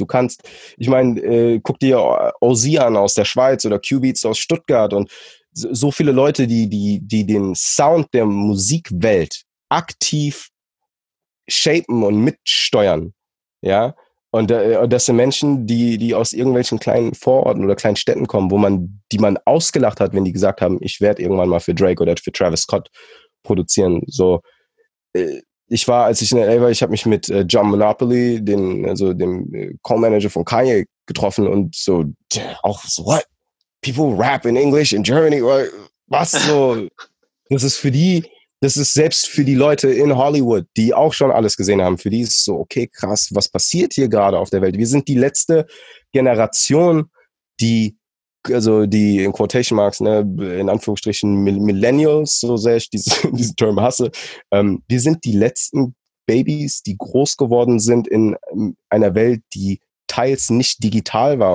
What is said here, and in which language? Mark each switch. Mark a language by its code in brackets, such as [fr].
[de] Du kannst, ich meine, guck dir Ozzy an aus der Schweiz oder Q-Beats aus Stuttgart, und so viele Leute, die den Sound der Musikwelt aktiv shapen und mitsteuern, ja, und das sind Menschen, die aus irgendwelchen kleinen Vororten oder kleinen Städten kommen, wo man, die man ausgelacht hat, wenn die gesagt haben, ich werde irgendwann mal für Drake oder für Travis Scott produzieren. So, ich war, als ich in L.A. war, ich habe mich mit John Monopoly, dem Co-Manager von Kanye, getroffen, und so, auch so, what? [en] People rap in English in Germany, was so? [de] Das ist für die, das ist selbst für die Leute in Hollywood, die auch schon alles gesehen haben, für die ist es so, okay, krass, was passiert hier gerade auf der Welt? Wir sind die letzte Generation, die also die in Quotation Marks, ne, in Anführungsstrichen Millennials, so sehr ich diesen Term hasse, wir sind die letzten Babys, die groß geworden sind in einer Welt, die teils nicht digital war.